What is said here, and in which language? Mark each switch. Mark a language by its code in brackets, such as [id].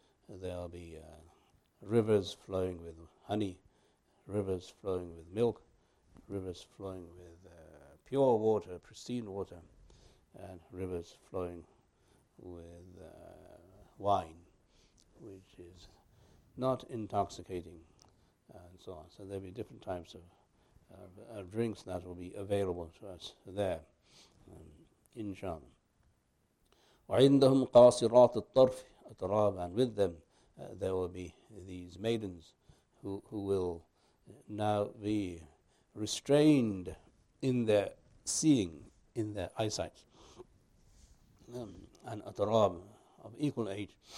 [en] There'll be rivers flowing with honey, rivers flowing with milk, rivers flowing with pure water, pristine water, and rivers flowing with wine, which is not intoxicating, and so on. So there'll be different types of drinks that will be available to us there, inshallah. [ar] وَعِنْدَهُمْ قَاصِرَاتُ الطَّرْفِ أَتْرَابًا. [en] And with them, there will be these maidens who will now be restrained in their seeing, in their eyesight. And أَتْرَاب, of equal age.